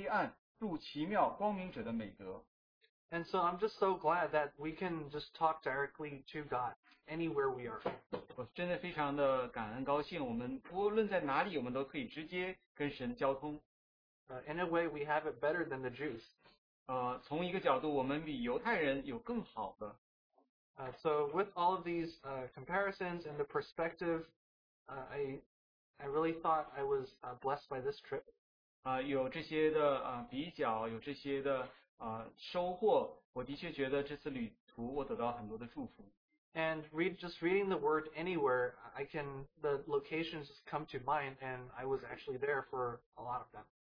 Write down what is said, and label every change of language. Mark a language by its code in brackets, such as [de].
[zh] 第九节，唯有你们是被拣选的族类，是有君尊的祭司，是圣洁的国度，是属神的子民，要叫你们宣扬那招你们出黑暗入奇妙光明者的美德。 [en] And so I'm just so glad that we can just talk directly to God anywhere we are. [zh] 我真的非常的感恩高兴，我们无论在哪里，我们都可以直接跟神交通。 [en] In a way, we have it better than the Jews. [zh] 从一个角度，我们比犹太人有更好的。 [en] So with all of these comparisons and the perspective, I really thought I was blessed by this trip. [zh] 有这些的比较，有这些的。收获，我的确觉得这次旅途我得到很多的祝福。 [en] And just reading the word anywhere, the locations just come to mind, and I was actually there for a lot of them.